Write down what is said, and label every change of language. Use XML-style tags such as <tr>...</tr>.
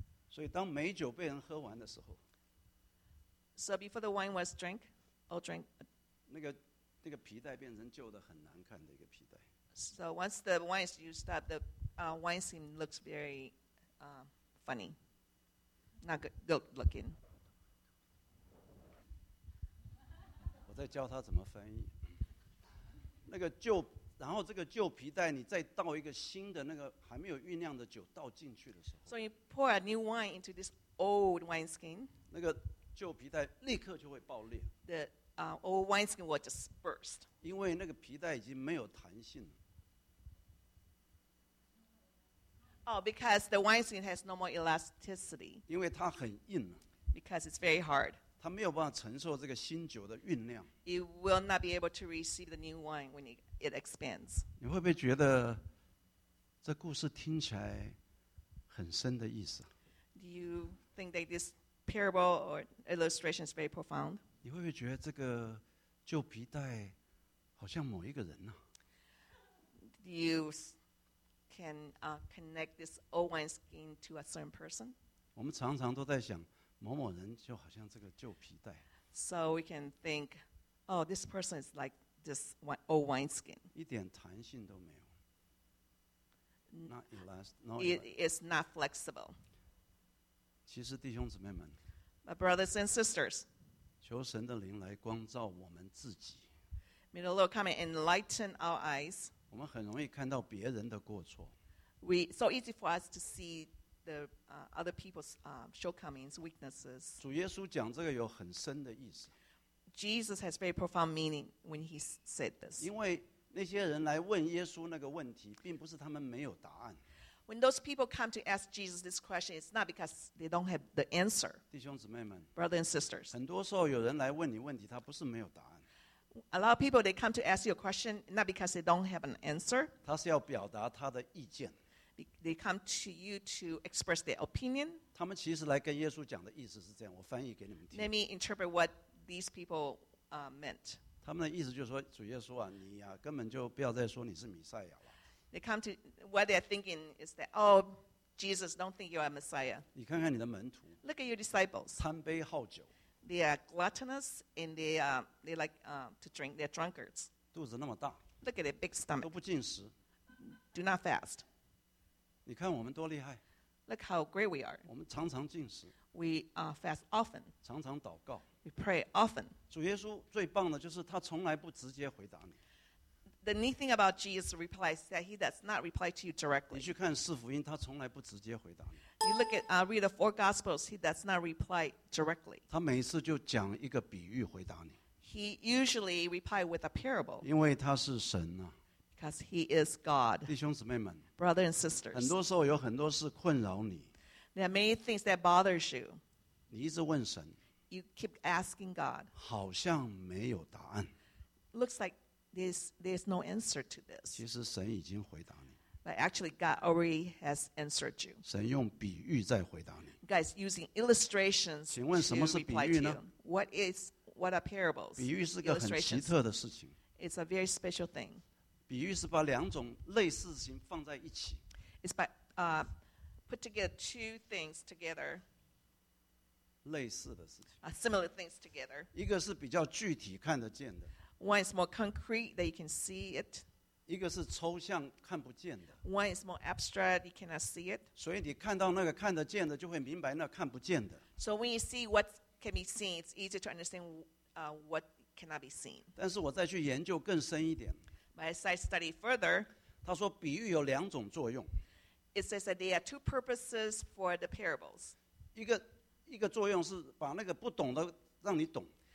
<zh>所以当美酒被人喝完的时候。</zh> <en>So before the wine was drank, all drank.</en> <zh>那个皮带变成旧的很难看的一个皮带。</zh> <en>So once the wine is used up, the wine skin looks very funny, not good looking.</en> <zh>我在教他怎么翻译。那个旧然后这个旧皮带你再倒一个新的那个还没有酝酿的酒倒进去的时候。</zh> <en>So you pour a new wine into this old wineskin.</en> <zh>那个旧皮带立刻就会爆裂。</zh> <en>The old wineskin will just burst.</en> <zh>因为那个皮带已经没有弹性了。</zh> <en>Oh, because the wineskin has no more elasticity.</en> <zh>因为它很硬了。</zh> <en>Because it's very hard.</en> <zh>它没有办法承受这个新酒的酝酿。</zh> <en>It will not be able to receive the new wine when it expands.</en> <zh>你会不会觉得这故事听起来很深的意思？</zh> <en>Do you think that this parable or illustration is very profound?</en> <zh>你会不会觉得这个旧皮带好像某一个人呢？</zh> <en>Do you... can connect this old wineskin to a certain person.</en> <zh>我们常常都在想某某人就好像这个旧皮带。</zh> <en>So we can think, oh, this person is like this old wineskin.</en> <zh>一点弹性都没有。</zh> <en>Not elastic. It's not flexible.</en> <zh>其实弟兄姊妹们，</zh> <en>My brothers and sisters,</en> <zh>求神的灵来光照我们自己。</zh> <en>May the Lord come and enlighten our eyes.</en> <zh>我们很容易看到别人的过错。</zh> <en>We so easy for us to see the other people's shortcomings, weaknesses.</en> <zh>主耶稣讲这个有很深的意思。</zh> <en>Jesus has very profound meaning when he said this.</en> <zh>因为那些人来问耶稣那个问题，并不是他们没有答案。</zh> <en>When those people come to ask Jesus this question, it's not because they don't have the answer.</en> <zh>弟兄姊妹们</zh> <en>，brothers and sisters，</en> <zh>很多时候有人来问你问题，他不是没有答案。</zh> <en>A lot of people, they come to ask you a question, not because they don't have an answer.</en> <zh>他是要表达他的意见。</zh> <en>They come to you to express their opinion.</en> <zh>他们其实来跟耶稣讲的意思是这样，我翻译给你们听。</zh> <en>Let me interpret what these people meant.</en> <zh>他们的意思就是说，主耶稣啊，你啊，根本就不要再说你是弥赛亚了。</zh> <en>They come to, what they're thinking is that, oh, Jesus, don't think you are Messiah.</en> <zh>你看看你的门徒。</zh> <en>Look at your disciples.</en> <zh>贪杯好酒。</zh> <en>They are gluttonous and they like to drink. They're drunkards.</en> <zh>肚子那么大。</zh> <en>Look at their big stomach.</en> <zh>都不进食。</zh> <en>Do not fast.</en> <zh>你看我们多厉害。</zh> <en>Look how great we are.</en> <zh>我们常常进食。</zh> <en>We fast often.</en> <zh>常常祷告。</zh> <en>We pray often.</en> <zh>主耶稣最棒的就是他从来不直接回答你。</zh> <en>The neat thing about Jesus' reply is that he does not reply to you directly.</en> <zh>你去看四福音，他从来不直接回答你。</zh> <en>You look at read the four gospels. He does not reply directly.</en> <zh>他每一次就讲一个比喻回答你。</zh> <en>He usually reply with a parable.</en> <zh>因为他是神啊。</zh> <en>Because he is God.</en> <zh>弟兄姊妹们。</zh> <en>Brothers and sisters.</en> <zh>很多时候有很多事困扰你。</zh> <en>There are many things that bothers you.</en> <zh>你一直问神。</zh> <en>You keep asking God.</en> <zh>好像没有答案。</zh> <en>Looks like there's no answer to this.</en> <zh>其实神已经回答你。</zh> <en>But actually, God already has answered you.</en> <zh>神用比喻在回答你。</zh> <en>Guys, using illustrations.</en> <zh>请问什么是比喻呢</zh> <en>？What are parables?</en> <zh>比喻是个很奇特的事情。</zh> <en>It's a very special thing.</en> <zh>比喻是把两种类似事情放在一起。</zh> <en>It's by put together two things together.</en> <zh>类似的事情。</zh> <en>Similar things together.</en> <zh>一个是比较具体看得见的。</zh> <en>One is more concrete that you can see it.</en> <zh>一个是抽象看不见的。</zh> <en>One is more abstract, you cannot see it.</en> <zh>所以你看到那个看得见的，就会明白那看不见的。</zh> <en>So when you see what can be seen, it's easy to understand what cannot be seen.</en> <zh>但是我再去研究更深一点。</zh> <en>But as I study further,</en> <zh>他说比喻有两种作用。</zh> <en>It says that there are two purposes for the parables.</en> <zh>一个作用是把那个不懂的让你懂。</zh>